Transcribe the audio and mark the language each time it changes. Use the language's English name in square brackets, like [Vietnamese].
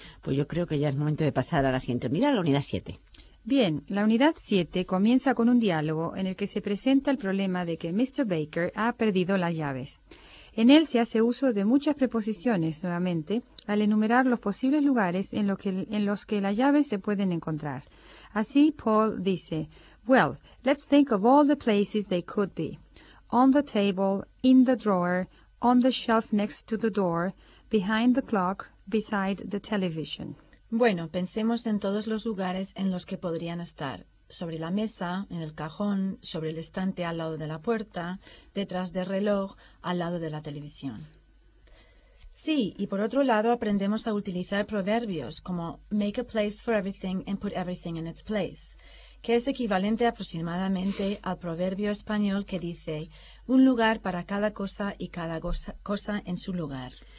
[Spanish] Pues yo creo que ya es momento de pasar a la siguiente unidad, la unidad 7. Bien, la unidad 7 comienza con un diálogo en el que se presenta el problema de que Mr. Baker ha perdido las llaves. En él se hace uso de muchas preposiciones, nuevamente, al enumerar los posibles lugares en los que las llaves se pueden encontrar. Así, Paul dice, [English] well, let's think of all the places they could be. On the table, in the drawer, on the shelf next to the door, behind the clock, beside the television. [Spanish] Bueno, pensemos en todos los lugares en los que podrían estar. Sobre la mesa, en el cajón, sobre el estante al lado de la puerta, detrás del reloj, al lado de la televisión. Sí, y por otro lado aprendemos a utilizar proverbios como [English] make a place for everything and put everything in its place, [Spanish] que es equivalente aproximadamente al proverbio español que dice un lugar para cada cosa y cada cosa en su lugar.